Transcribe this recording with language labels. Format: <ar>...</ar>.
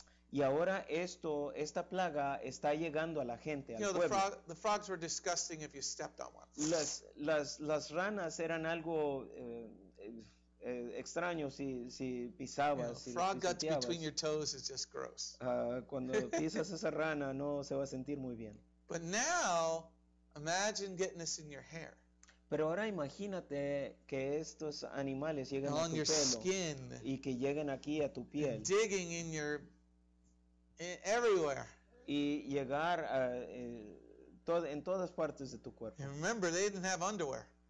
<es>Y ahora esto, esta plaga está llegando a la gente, al pueblo.</es> <en>The frogs were disgusting if you stepped on one.</en> <es>Las ranas eran algo extraño si pisabas.</es> <en>You know, frog guts between your toes is just gross.</en> <es>Cuando pisas esa rana no se va a sentir muy bien.</es> <en>But now, imagine getting this in your hair.</en> <es>Pero ahora imagínate que estos animales lleguen a tu pelo</es> <en>skin,</en> <es>y que lleguen aquí a tu piel.</es> <en>Digging in your everywhere.</en> <es>Y llegar a, en todas partes de tu cuerpo.</es> <en>And remember, they didn't have underwear.</en>